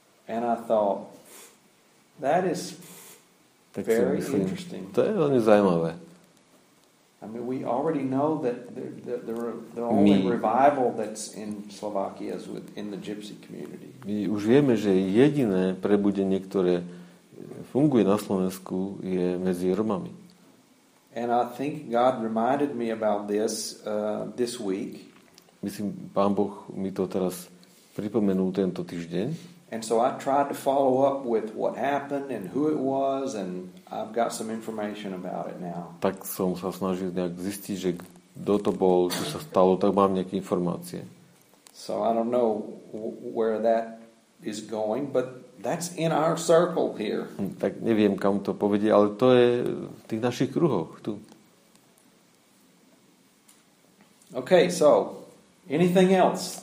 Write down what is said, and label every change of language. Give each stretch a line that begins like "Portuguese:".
English: And I thought that is tak very interesting.
Slovak: To je veľmi zaujímavé.
English: I mean, we already know that the only revival that's in Slovakia is within the gypsy community.
Slovak: My už vieme, že jediné prebudenie, ktoré funguje na Slovensku, je medzi Romami.
English: And I think God reminded me about this this week.
Slovak: Myslím, Pán Boh mi to teraz pripomenul tento týždeň.
English: And so I tried to follow up with what happened and who it was and I've got some information about it now.
Slovak: Tak som sa snažil nejak zistiť, že kto to bol, čo sa stalo, tak mám nejaké informácie.
English: So I don't know where that is going, but that's in our circle here.
Slovak: Tak neviem, kam to povedie, ale to je v tých našich kruhoch tu.
English: Okay, so anything else?